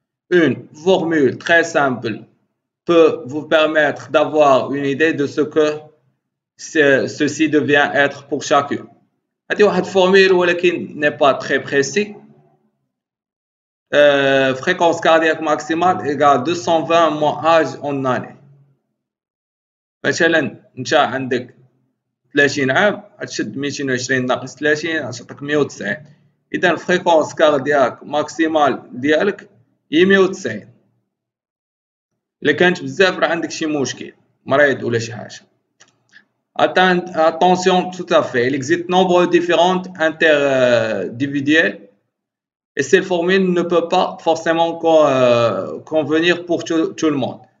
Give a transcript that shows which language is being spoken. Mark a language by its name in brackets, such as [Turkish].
[French] Une formule très simple peut vous permettre d'avoir une idée de ce que ceci devient être pour chacun. Cette formule n'est pas très précise. Fréquence cardiaque maximale égale 220 moins âge en année. [Arabic] مثلاً انت عندك 30 عام هتشد 220 ناقص 30 هتعطيك 190. اذا [French] فريكونس كاردياك ماكسيمال [Arabic] ديالك هي 190. الا كانت بزاف راه عندك شي مشكل مريض ولا شي حاجه. [French] Attention, tout à fait. Il existe nombreux différentes interindividuelles et cette formule ne peut pas forcément convenir pour tout le monde.